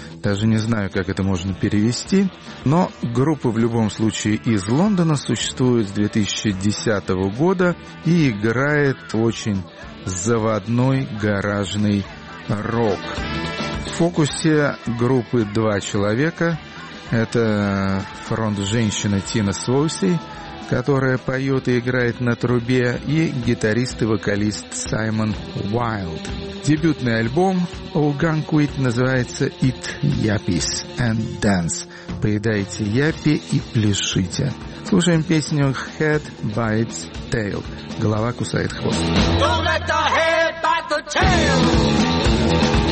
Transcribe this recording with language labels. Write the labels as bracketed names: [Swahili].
[Russian] Даже не знаю, как это можно перевести, но группа в любом случае из Лондона существует с 2010 года и играет очень заводной гаражный рок. В фокусе группы два человека. Это фронт-женщина Тина Своуси, которая поет и играет на трубе, и гитарист и вокалист Саймон Уайлд. Дебютный альбом «Oh, Gun Quit» называется «Eat Yappies and Dance». Поедайте яппи и пляшите. Слушаем песню «Head Bites Tail». Голова кусает хвост. [English] Don't let the head bite the tail.